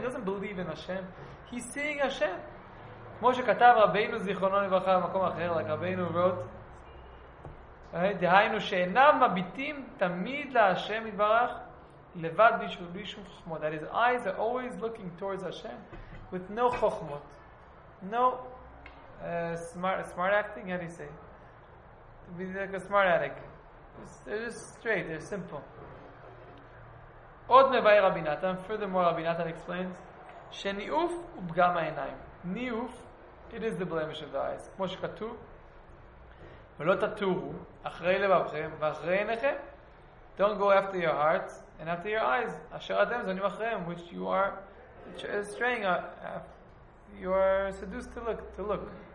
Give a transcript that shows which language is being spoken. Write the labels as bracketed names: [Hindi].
[English] He doesn't believe in Hashem, he's seeing Hashem. [Hebrew] כמו שכתב רבינו זיכרונו לברכה במקום אחר, [English] like רבינו wrote, [Hebrew] דהיינו שאינם מביטים תמיד להשם יתברך לבד בלי שום חוכמות. [English] That his eyes are always looking towards Hashem with no חוכמות, no smart acting. How do you say, be like a smart addict. They're just straight, they're simple. [Hebrew] עוד מבאי רבי נתן, [English] furthermore רבי נתן explains, [Hebrew] שניאוף הוא פגם העיניים. [English] ניאוף, it is the blemish of the eyes. [Hebrew] כמו שכתוב, ולא תטורו אחרי לבבכם ואחרי עיניכם, [English] don't go after your heart and after your eyes, [Hebrew] אשר אתם זונים אחריהם, [English] which you are straying, you are seduced to look.